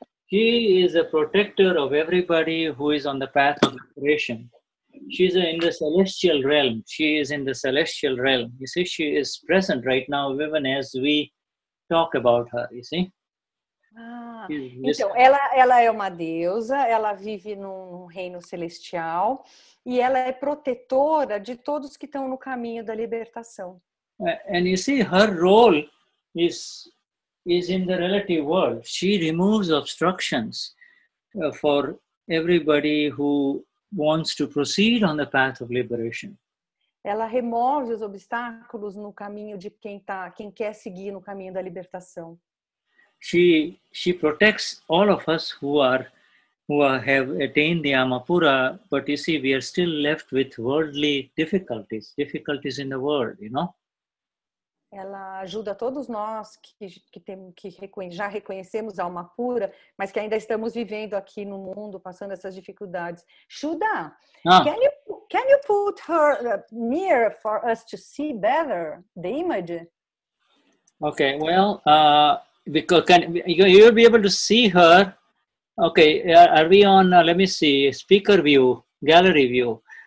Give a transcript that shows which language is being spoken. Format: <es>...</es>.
<en>She is a protector of everybody who is on the path of liberation. She's in the celestial realm. She is in the celestial realm. You see, she is present right now, even as we talk about her, you see?</en> <pt>Então, ela é uma deusa, ela vive num reino celestial e ela é protetora de todos que estão no caminho da libertação.</pt> <en>And you see, her role is in the relative world. She removes obstructions for everybody who wants to proceed on the path of liberation.</en> <pt>Ela remove os obstáculos no caminho de quem quer seguir no caminho da libertação.</pt> <en>She protects all of us who have attained the Amapura, but you see, we are still left with worldly difficulties in the world, you know?</en> <pt>Ela ajuda todos nós que já reconhecemos a alma pura, mas que ainda estamos vivendo aqui no mundo, passando essas dificuldades.</pt> <en>Shuda, can you put her near for us to see better the image? Okay, well, because you'll be able to see her. Okay, are we on, let me see, speaker view, gallery view.</en>